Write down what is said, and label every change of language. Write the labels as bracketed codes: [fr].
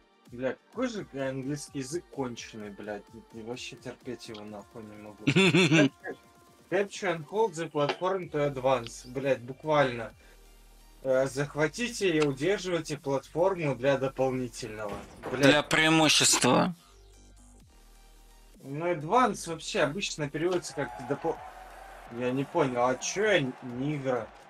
[ru] Бля, какой же английский язык конченый, блядь. Я вообще терпеть его нахуй не могу. [en] Capture and hold the platform to advance. [ru] Блядь, буквально. Захватите и удерживайте платформу для дополнительного. Блядь. Для преимущества. Ну, advance вообще обычно переводится как Я не понял, а чё я не игра?